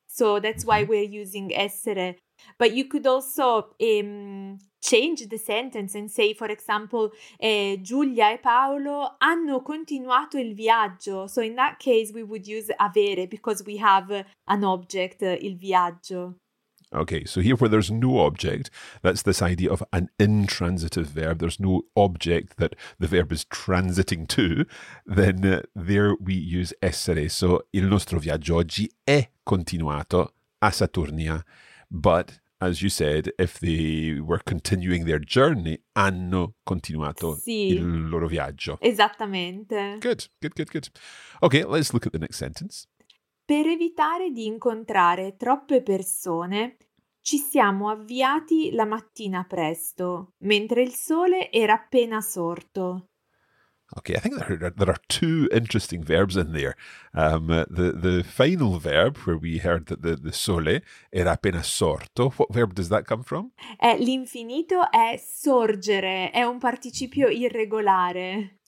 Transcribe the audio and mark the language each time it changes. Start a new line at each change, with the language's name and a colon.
English: So that's why we're using essere. But you could also change the sentence and say, for example,
Italian: Giulia e Paolo hanno continuato il viaggio.
English: So in that case, we would use avere because we have an object,
Italian: il viaggio.
English: Okay, so here where there's no object, that's this idea of an intransitive verb. There's no object that the verb is transiting to. Then there we use essere. So
Italian: il nostro viaggio oggi è continuato a Saturnia.
English: But, as you said, if they were continuing their journey,
Italian: hanno continuato sì, il loro viaggio. Esattamente.
English: Good, good, good, good. Okay, let's look at the next sentence.
Italian: Per evitare di incontrare troppe persone, ci siamo avviati la mattina presto, mentre il sole era appena sorto.
English: Okay, I think there are two interesting verbs in there. The final verb, where we heard that the
Italian: sole era appena sorto,
English: what verb does that come from?
Italian: L'infinito è sorgere, è un participio irregolare.